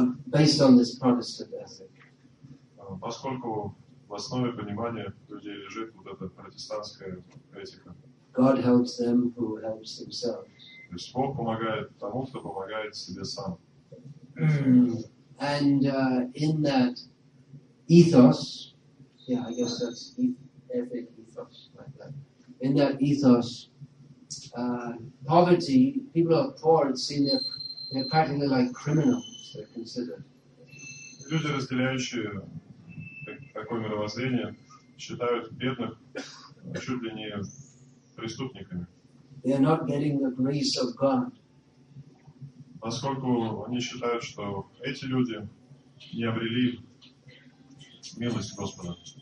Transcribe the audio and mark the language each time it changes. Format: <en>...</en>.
<en>Based on this Protestant ethic.</en> <ru>Поскольку в основе понимания людей лежит вот эта протестантская этика.</ru> <en>God helps them who helps themselves.</en> <ru>То есть Бог помогает тому, кто помогает себе сам.</ru> <en>And in that ethos, yeah, I guess that's epic ethos, like that. In that ethos, poverty, people are poor, it's seen they're practically like criminals, they're considered.</en> <ru>Люди, разделяющие такое мировоззрение, считают бедных чуть ли не преступниками.</ru> <en>They are not getting the grace of God.</en> <ru>Поскольку они считают, что эти люди не обрели милость Господа.</ru>